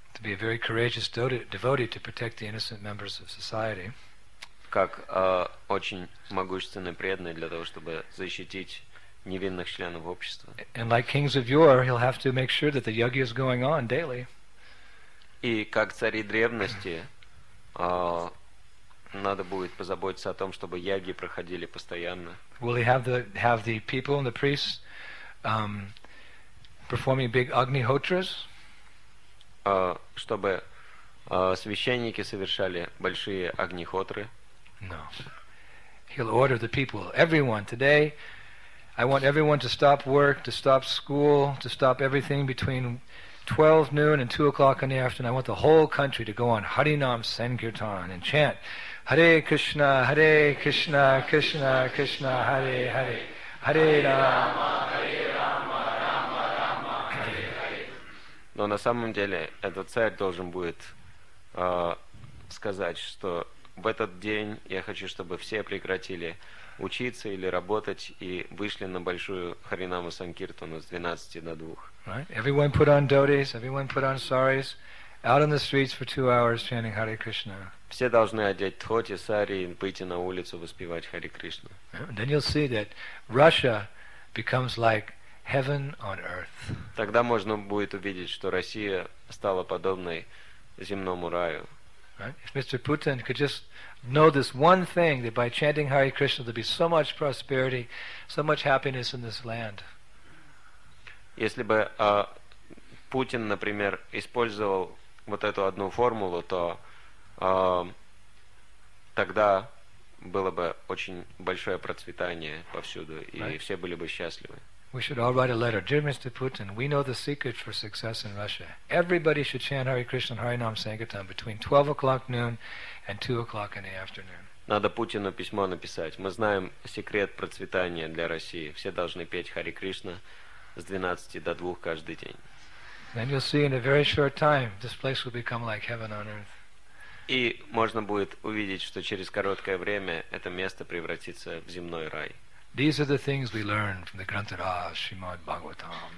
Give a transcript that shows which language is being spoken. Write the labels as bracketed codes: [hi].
[en] To be a very courageous devotee to protect the innocent members of society. [ru] Как очень могущественный преданный для того, чтобы защитить невинных членов общества. [en] And like kings of yore, he'll have to make sure that the yagya is going on daily. [ru] И как цари древности, надо будет позаботиться о том, чтобы яги проходили постоянно. [en] Will he have the people and the priests performing big Agnihotras? [ru] Чтобы священники совершали большие Агнихотры? [en] No. He'll order the people, everyone today. I want everyone to stop work, to stop school, to stop everything between 12 noon and 2 o'clock in the afternoon. I want the whole country to go on Harinam Sankirtan and chant Hare Krishna, Krishna, Krishna, Hare Hare, Hare Rama, Hare Rama, Rama Rama, Hare Hare. [ru] Но на самом деле этот царь должен будет сказать, что в этот день я хочу, чтобы все прекратили учиться или работать и вышли на большую Харинаму Санкиртану с 12 до 2. [en] Right. Everyone put on dhotis, everyone put on saris, out on the streets for 2 hours chanting Hare Krishna. [ru] Все должны одеть дхоти, сари и выйти на улицу воспевать Хари Кришну. [en] Then you'll see that Russia becomes like heaven on earth. [ru] Тогда можно будет увидеть, что Россия стала подобной земному раю. [en] Right? If Mr. Putin could just know this one thing, that by chanting Hare Krishna there'd be so much prosperity, so much happiness in this land. [ru] Если бы Путин, например, использовал вот эту одну формулу, то тогда было бы очень большое процветание повсюду, и right? Все были бы счастливы. [en] We should all write a letter. Dear Mr. Putin, we know the secret for success in Russia. Everybody should chant Hare Krishna and Harinam Sankirtan between 12 o'clock noon and 2 o'clock in the afternoon. [ru] Надо Путину письмо написать. Мы знаем секрет процветания для России. Все должны петь Hare Krishna с 12 до 2 каждый день. [en] Then you'll see in a very short time this place will become like heaven on earth. [ru] И можно будет увидеть, что через короткое время это место превратится в земной рай. [en] These are the things we learn from the Grantara Shrimad Bhagavatam.